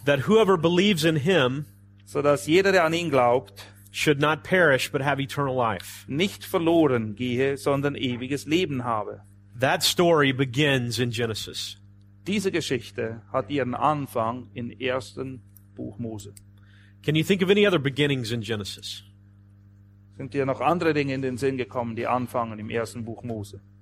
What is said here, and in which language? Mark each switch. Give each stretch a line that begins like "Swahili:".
English: that whoever believes in him,
German: so dass jeder, der an ihn glaubt,
English: should not perish but have eternal life,
German: nicht verloren gehe, sondern ewiges Leben habe.
English: That story begins in Genesis.
German: Diese Geschichte hat ihren Anfang im ersten Buch Mose.
English: Can you think of any other beginnings in Genesis?
German: Sind dir noch andere Dinge in den Sinn gekommen, die anfangen im ersten Buch Mose?